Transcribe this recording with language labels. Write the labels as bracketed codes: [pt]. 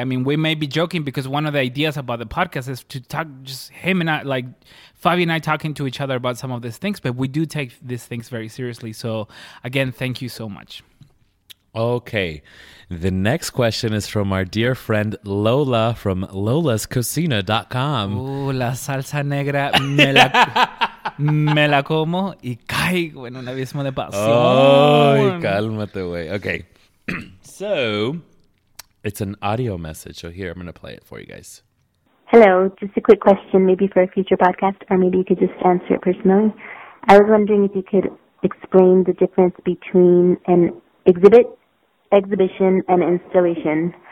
[en] I mean, we may be joking because one of the ideas about the podcast is to talk just him and I, like Fabi and I talking to each other about some of these things, but we do take these things very seriously. So again, thank you so much. Okay, the next question is from our dear friend Lola from lolascocina.com. [es] Ooh, la salsa negra, me la como y caigo en un abismo de pasión. Oh, cálmate, güey. [en] Okay, so it's an audio message, so here, I'm going to play it for you guys. Hello, just a quick question, maybe for a future podcast, or maybe you could just answer it personally. I was wondering if you could explain the difference between an exhibition and installation.